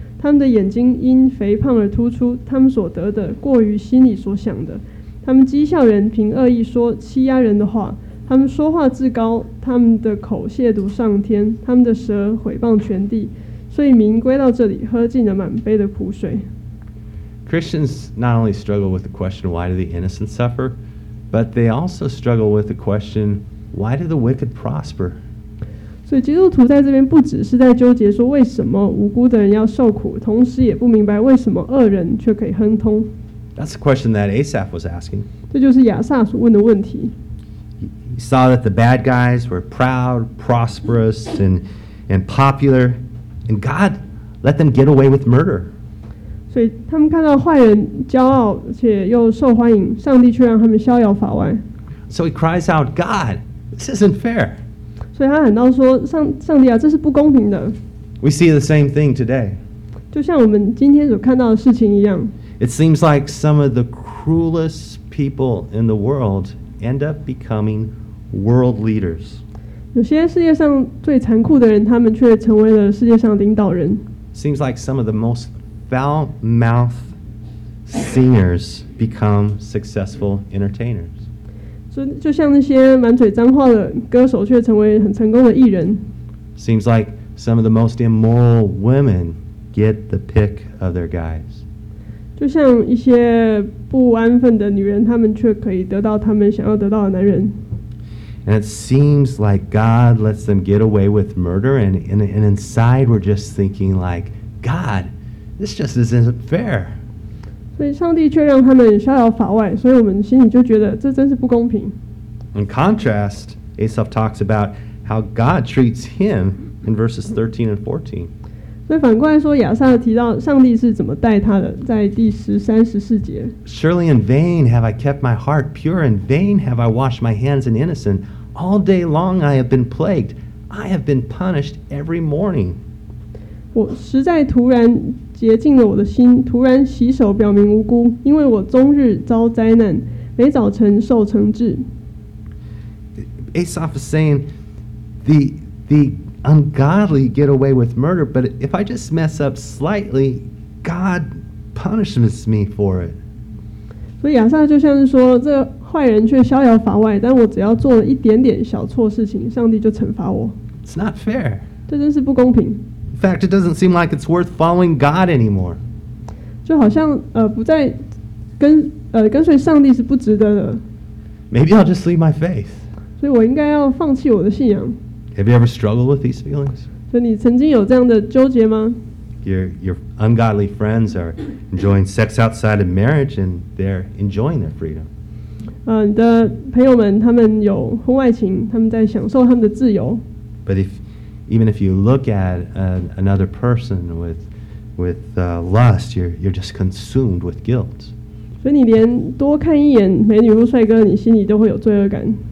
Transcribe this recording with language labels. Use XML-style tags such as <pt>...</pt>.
<zh>他们的眼睛因肥胖而突出，他们所得的过于心里所想的。他们讥笑人，凭恶意说欺压人的话。他们说话自高，他们的口亵渎上天，他们的舌毁谤全地。所以民归到这里，喝尽了满杯的苦水。</zh> <en>Christians not only struggle with the question, why do the innocent suffer, but they also struggle with the question, why do the wicked prosper?</en> <zh>所以基督徒在这边不只是在纠结说为什么无辜的人要受苦，同时也不明白为什么恶人却可以亨通。</zh> <en>That's the question that Asaph was asking.</en> <zh>这就是亚撒所问的问题。</zh> <en>He saw that the bad guys were proud, prosperous, and popular, and God let them get away with murder.</en> <zh>所以他们看到坏人骄傲且又受欢迎，上帝却让他们逍遥法外。</zh> <en>So he cries out, God, this isn't fair.</en> <zh>所以他喊道说，上帝啊，这是不公平的。</zh> <en>We see the same thing today.</en> <zh>就像我们今天所看到的事情一样。</zh> <en>It seems like some of the cruelest people in the world end up becoming world leaders.</en> <zh>有些世界上最残酷的人，他们却成为了世界上领导人。</zh> <en>Seems like some of the most foul-mouthed singers become successful entertainers.</en> <zh>就像那些满嘴脏话的歌手，却成为很成功的艺人。</zh> <en>Seems like some of the most immoral women get the pick of their guys.</en> <zh>就像一些不安分的女人，她们却可以得到她们想要得到的男人。</zh> <en>And it seems like God lets them get away with murder, and inside we're just thinking like, God, this just isn't fair.</en> <zh>所以上帝却让他们逍遥法外，所以我们心里就觉得这真是不公平。</zh> <en>In contrast, Asaph talks about how God treats him in verses 13 and 14.</en> <zh>所以反过来说，亚撒提到上帝是怎么待他的，在第十三十四节。</zh> <en>Surely in vain have I kept my heart pure, in vain have I washed my hands in innocence. All day long I have been plagued, I have been punished every morning.</en> <zh>我实在突然洁净了我的心，突然洗手表明无辜，因为我终日遭灾难，每早晨受惩治。</zh> <en>Asaph is saying, the ungodly get away with murder, but if I just mess up slightly, God punishes me for it.</en> <zh>所以亚撒就像是说，这坏人却逍遥法外，但我只要做了一点点小错事情，上帝就惩罚我。</zh> <en>It's not fair.</en> <zh>这真是不公平。</zh> <en>In fact, it doesn't seem like it's worth following God anymore.</en> <zh>就好像不再跟随上帝是不值得的。</zh> <en>Maybe I'll just leave my faith.</en> <zh>所以我应该要放弃我的信仰。</zh> <en>Have you ever struggled with these feelings?</en> <zh>所以你曾经有这样的纠结吗？</zh> <en>Your ungodly friends are enjoying sex outside of marriage, and they're enjoying their freedom.</en> <zh>你的朋友们他们有婚外情，他们在享受他们的自由。</zh> <en>But even if you look at another person with lust, you're just consumed with guilt.</en> <zh>所以你连多看一眼美女或帅哥，你心里都会有罪恶感。</zh>